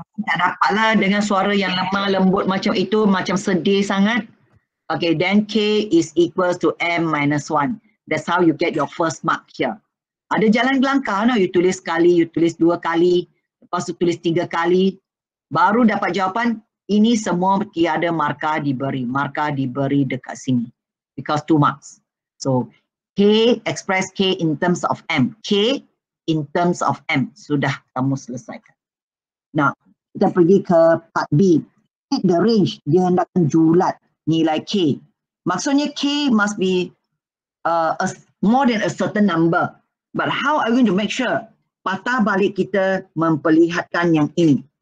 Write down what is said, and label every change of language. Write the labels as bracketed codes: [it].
[ms] Tak dapatlah dengan suara yang lemah lembut macam itu, macam sedih sangat. [en] Okay, then K is equal to M minus 1. That's how you get your first mark here. [ms] Ada jalan gelangkah, no? You tulis sekali, you tulis dua kali, lepas tu tulis tiga kali, baru dapat jawapan, ini semua tiada markah diberi. Markah diberi dekat sini. [en] Because two marks. So, K express K in terms of M. K in terms of M. [ms] Sudah kamu selesaikan. Nah, kita pergi ke part B. [en] The range, [ms] dia hendakkan julat. Nilai K. [en] Maksudnya K must be more than a certain number. But how are we going to make sure? [ms] Patah balik kita memperlihatkan yang ini.